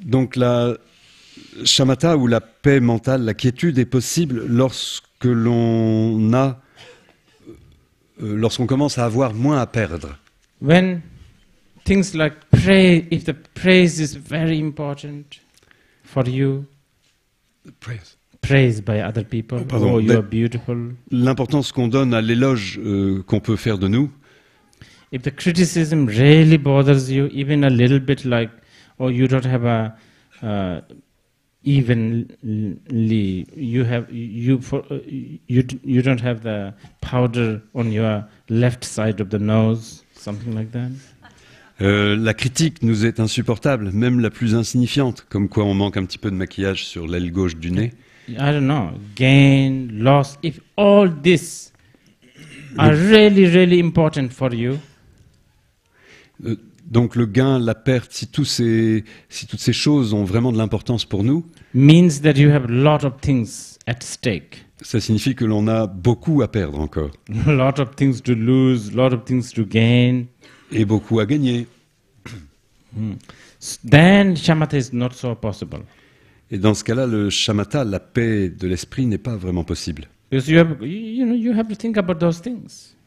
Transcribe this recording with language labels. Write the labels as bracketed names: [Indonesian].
[French] Donc la shamatha ou la paix mentale, la quiétude est possible lorsque l'on a, lorsqu'on commence à avoir moins à perdre. [English] When things like prayer, if the praise is very important for you, praise by other people, you are beautiful. [French] L'importance qu'on donne à l'éloge qu'on peut faire de nous. [English] If the criticism really bothers you, even a little bit, like, oh, you don't have a evenly, you don't have the powder on your left side of the nose. Something like that. [French] La critique nous est insupportable, même la plus insignifiante, comme quoi on manque un petit peu de maquillage sur l'aile gauche du nez. [English] I don't know, gain, loss, if all this are really, really important for you. [French] Donc le gain, la perte, si toutes ces choses ont vraiment de l'importance pour nous, [English] means that you have a lot of things at stake. [French] Ça signifie que l'on a beaucoup à perdre encore. [English] A lot of things to lose, a lot of things to gain. [French] Et beaucoup à gagner. [English] Then shamatha is not so possible. [French] Et dans ce cas-là, le shamatha, la paix de l'esprit, n'est pas vraiment possible. [English] Because you have to think about those things.